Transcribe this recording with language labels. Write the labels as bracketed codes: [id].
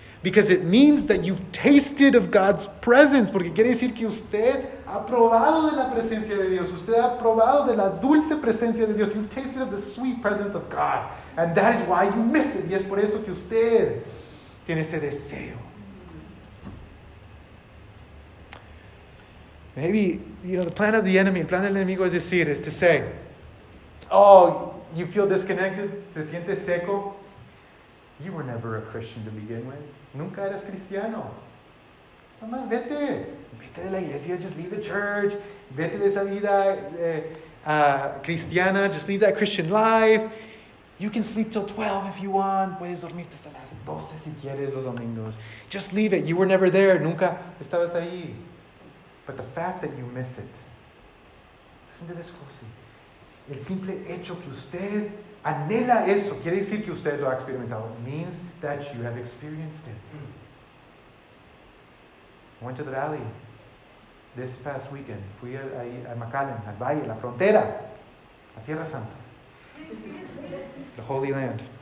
[en] Because it means that you've tasted of God's presence. [es] Porque quiere decir que usted ha probado de la presencia de Dios. Usted ha probado de la dulce presencia de Dios. [en] You've tasted of the sweet presence of God. And that is why you miss it. [es] Y es por eso que usted tiene ese deseo. [en] Maybe, you know, the plan of the enemy, [es] el plan del enemigo es decir, [en] is to say, oh, you feel disconnected, [es] se siente seco. [en] You were never a Christian to begin with. [es] Nunca eras cristiano. Nomás vete. Vete de la iglesia. [en] Just leave the church. [es] Vete de esa vida cristiana. [en] Just leave that Christian life. You can sleep till 12 if you want. [es] Puedes dormirte hasta las 12 si quieres los domingos. [en] Just leave it. You were never there. [es] Nunca estabas ahí. [en] But the fact that you miss it. Listen to this closely. [es] El simple hecho que usted anhela eso, quiere decir que usted lo ha experimentado. [en] It means that you have experienced it. I went to the valley this past weekend. [es] Fui ahí a McAllen, al valle, la frontera, la Tierra Santa. [en] The Holy Land.